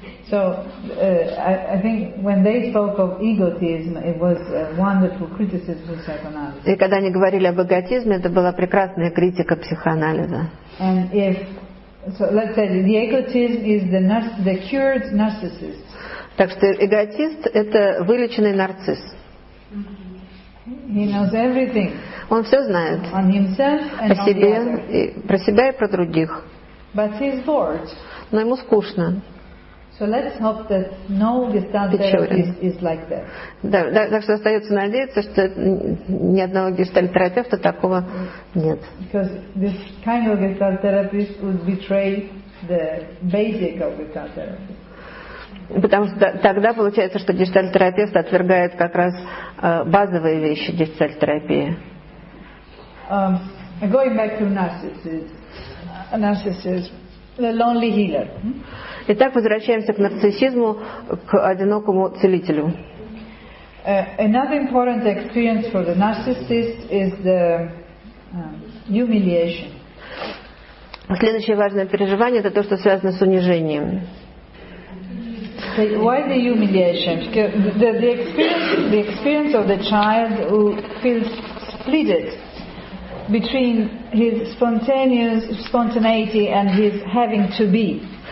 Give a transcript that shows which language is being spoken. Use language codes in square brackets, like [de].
[en] So I think when they spoke of egotism, it was a wonderful criticism of psychoanalysis. [ru] И когда они говорили об эгоизме, это была прекрасная критика психоанализа. [en] And if so, let's say the egotism is the cured narcissist. [ru] Так что эгоист — это вылеченный нарцисс. [en] He knows everything. [ru] Он все знает. [en] On himself and [ru] о себе, [en] on the [ru] other. Про себя и про других. [en] But he's bored. [ru] Но ему скучно. [en] So let's hope that no Gestalt therapist is like that. [ru] Да, да, так что остается надеяться, что ни одного гештальт-терапевта такого нет. [en] Because this kind of Gestalt therapist would betray the basic of Gestalt therapy. [ru] Потому что тогда получается, что гештальт-терапевт отвергает как раз базовые вещи гештальт-терапии. [en] Going back to narcissism, the lonely healer. [ru] Итак, возвращаемся к нарциссизму, к одинокому целителю. [en] Another important experience for the narcissist is the humiliation. [ru] Следующее важное переживание — это то, что связано с унижением. [en] Why the humiliation? The experience of the child who feels splitted between his spontaneity and his having to be.